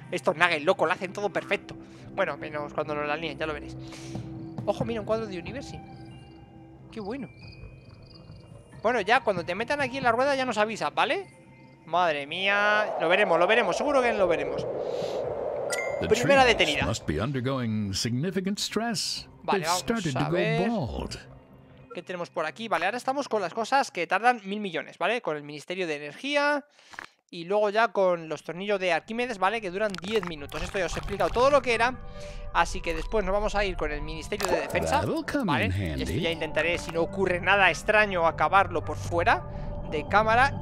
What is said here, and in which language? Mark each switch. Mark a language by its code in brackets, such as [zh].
[es] Estos nuggets, loco, lo hacen todo perfecto. Bueno, menos cuando nos la líen, ya lo veréis. Ojo, mira, un cuadro de Universi. ¡Qué bueno! Bueno, ya, cuando te metan aquí en la rueda ya nos avisas, ¿vale? ¡Madre mía! Lo veremos, seguro que lo veremos. Primera detenida. [en] Must be undergoing significant stress. [es] Vale, vamos a ver. ¿Qué tenemos por aquí? Vale, ahora estamos con las cosas que tardan 1000 millones, ¿vale? Con el Ministerio de Energía y luego ya con los tornillos de Arquímedes, ¿vale? Que duran 10 minutos. Esto ya os he explicado todo lo que era. Así que después nos vamos a ir con el Ministerio de Defensa, ¿vale? Y esto ya intentaré, si no ocurre nada extraño, acabarlo por fuera de cámara.